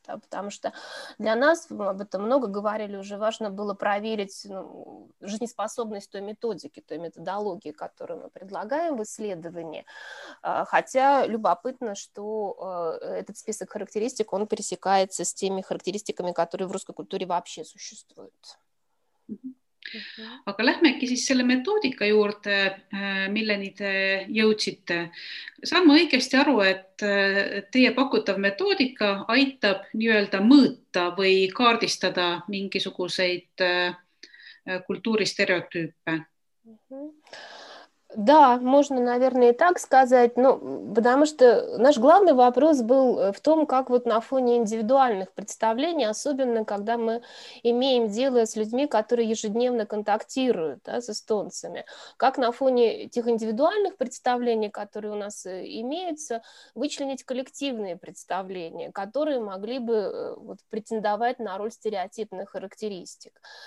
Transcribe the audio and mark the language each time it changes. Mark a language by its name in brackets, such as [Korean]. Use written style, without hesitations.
[Russian] Да, потому что для нас, мы об этом много говорили, уже важно было проверить, ну, жизнеспособность той методики, той методологии, которую мы предлагаем в исследовании. Хотя любопытно, что этот список характеристик, он пересекается с теми характеристиками, которые в русской культуре вообще существуют. [Estonian] Aga lähmegi siis selle metoodika juurde, milleni te jõudsite. Saan ma õigesti aru, et teie pakutav metoodika aitab nii-öelda mõõta või kaardistada mingisuguseid kultuuristereotüüpe? [Russian] Да, можно, наверное, и так сказать, ну, потому что наш главный вопрос был в том, как вот на фоне индивидуальных представлений, особенно когда мы имеем дело с людьми, которые ежедневно контактируют, да, с эстонцами, как на фоне тех индивидуальных представлений, которые у нас имеются, вычленить коллективные представления, которые могли бы вот претендовать на роль стереотипных характеристик.